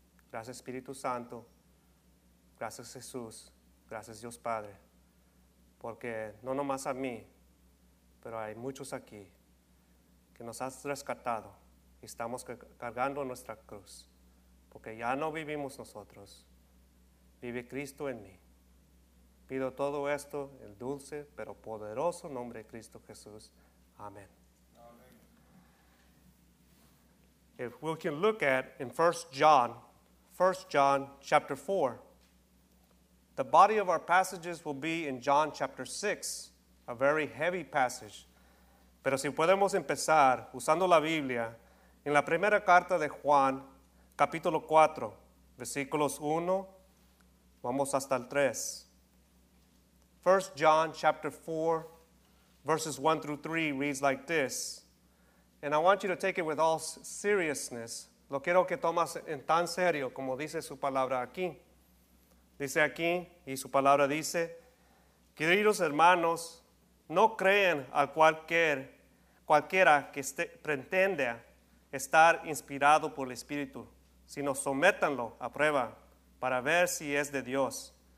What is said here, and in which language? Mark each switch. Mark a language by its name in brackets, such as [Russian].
[Spanish] Gracias Espíritu Santo, gracias Jesús, gracias Dios Padre, porque no nomás a mí, pero hay muchos aquí que nos has rescatado y estamos cargando nuestra cruz, porque ya no vivimos nosotros, vive Cristo en mí. Pido todo esto en el dulce pero poderoso nombre de Cristo Jesús. Amén. [English] If we can look at in 1 John chapter 4, the body of our passages will be in John chapter 6, a very heavy passage. [Spanish] Pero si podemos empezar usando la Biblia, en la primera carta de Juan, capítulo 4, versículos 1, vamos hasta el 3. [English] 1 John chapter 4, verses 1 through 3 reads like this. And I want you to take it with all seriousness. [Spanish] Lo quiero que tomas en tan serio como dice su palabra aquí. Dice aquí, y su palabra dice, queridos hermanos, no creen a cualquiera que pretende estar inspirado por el Espíritu, sino sométanlo a prueba para ver si es de Dios.